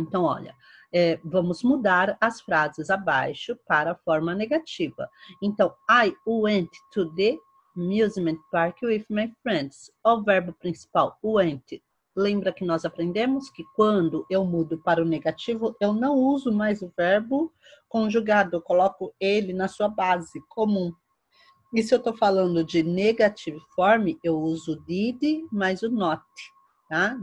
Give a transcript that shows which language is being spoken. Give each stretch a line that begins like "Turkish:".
Portuguese: Então, olha, vamos mudar as frases abaixo para a forma negativa.
English: Então, I went to the amusement park with my friends.
Portuguese: O verbo principal, went. Lembra que nós aprendemos que quando eu mudo para o negativo, eu não uso mais o verbo conjugado, eu coloco ele na sua base comum. E se eu estou falando de negative form, eu uso did mais o not, tá?